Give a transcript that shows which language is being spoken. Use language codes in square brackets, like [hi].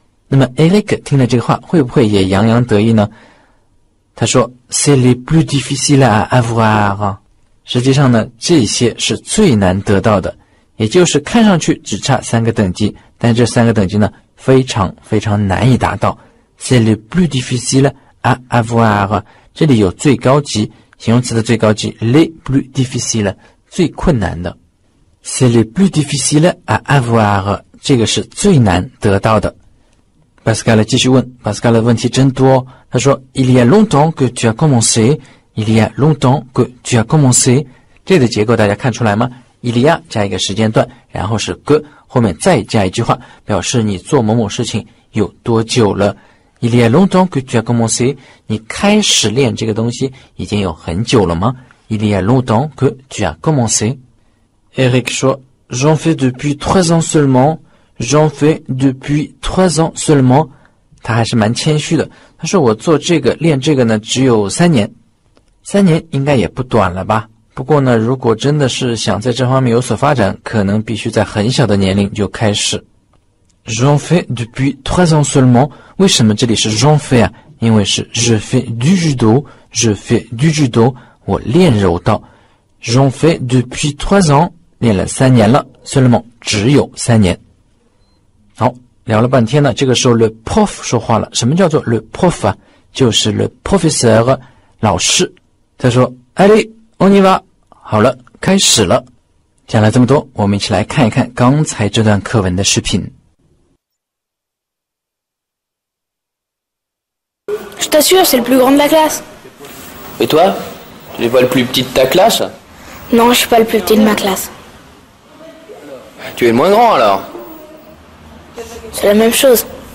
[zh] 那么 Eric 听了这个话会不会也洋洋得意呢他说 [fr] C'est le plus difficile à avoir. [zh] 实际上呢这些是最难得到的。也就是看上去只差三个等级但这三个等级呢非常非常难以达到 [fr] C'est le plus difficile à avoir [zh] 这里有最高级形容词的最高级 [fr] Le plus difficile [zh] 最困难的 C'est le plus difficile à avoir 这个是最难得到的 Pascal 继续问 Pascal 的问题真多、哦、他说 [fr] Il y a longtemps que tu as commencé [zh] Il y a [fr] longtemps que tu as commencé [zh] 这的结构大家看出来吗伊利亚加一个时间段然后是个后面再加一句话表示你做某某事情有多久了伊利亚 longtemps que tu as commencé 你开始练这个东西已经有很久了吗伊利亚 longtemps que tu as commencé Eric 说 [fr] J'en fais depuis 3 ans seulement J'en fais depuis 3 ans seulement. [zh] 他还是蛮谦虚的。他说我做这个练这个呢只有3年。3年应该也不短了吧。不过呢如果真的是想在这方面有所发展可能必须在很小的年龄就开始。 [fr] J'en fais depuis 3 ans seulement. [zh] 为什么这里是 j'en fais 啊因为是 [fr] je fais du judo, je fais du judo, [zh] 我练柔道。 [fr] J'en fais depuis 3 ans, [zh] 练了3年了 seulement, 只有3年。好聊了半天呢这个时候 le prof 说话了什么叫做 le prof 啊就是 le professeur, 老师。他说 [fr] allez, on y va, [zh] 好了开始了。讲了这么多我们一起来看一看刚才这段课文的视频。 [fr] Je t'assure, c'est le plus grand de la classe. Et toi ? Tu n'es pas le plus petit de ta classe ? Non, je suis pas le plus petit de ma classe. Tu es le moins grand alors ? C'est la même chose.